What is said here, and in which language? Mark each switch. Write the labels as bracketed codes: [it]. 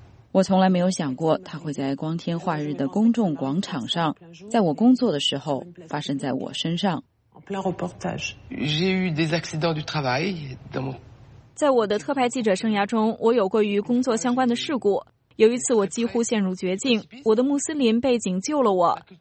[zh] 我从来没有想过它会在光天化日的公众广场上，在我工作的时候发生在我身上。 [fr] en plein reportage. J'ai eu des accidents du travail dans mon... [zh] 在我的特派记者生涯中，我有过与工作相关的事故。有一次我几乎陷入绝境，我的穆斯林背景救了我。